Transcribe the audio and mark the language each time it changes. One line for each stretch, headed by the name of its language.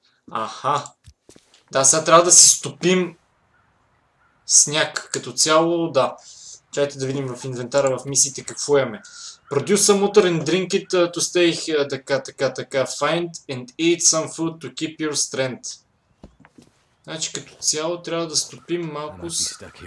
Bulgarian: Аха. Да, сега трябва да си стопим сняг като цяло, да. Чайте да видим в инвентара, в мисиите какво имаме.
English: Produce some water and drink it to stay...
Bulgarian: Така.
English: Find and eat some food to keep your strength.
Bulgarian: Значи като цяло трябва да стопим малко с...